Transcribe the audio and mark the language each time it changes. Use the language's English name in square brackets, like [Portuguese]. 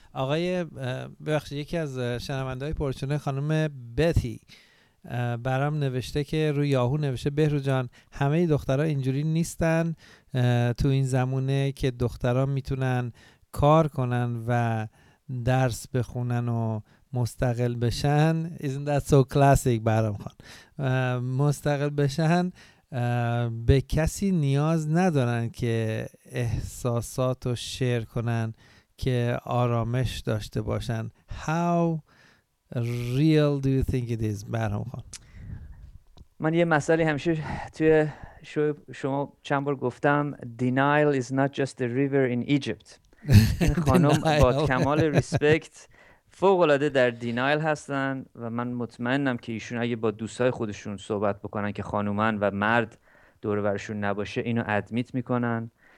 [Persian] آقای ببخشید، یکی از شنونده های پرچونه خانم بتی برام نوشته که روی یاهو نوشته بهرو جان همه دخترها اینجوری نیستن تو این زمونه که دخترها میتونن کار کنن و درس بخونن و مستقل بشن. [English] Isn't that so classic برام خان. [Persian] مستقل بشن، به کسی نیاز ندارن که احساسات رو شیر کنن که آرامش داشته باشن. [English] How real do you think it is برام خان؟ [Persian] من یه مسئله همیشه توی شو شما چند بار گفتم، [English] denial is not just a river in Egypt. [Persian] خانم با کمال ریسپکت فوق‌العاده در دینایل هستن و من مطمئنم که ایشون اگه با دوستای خودشون صحبت بکنن که خانومن و مرد دور و برشون نباشه اینو ادمیت میکنن.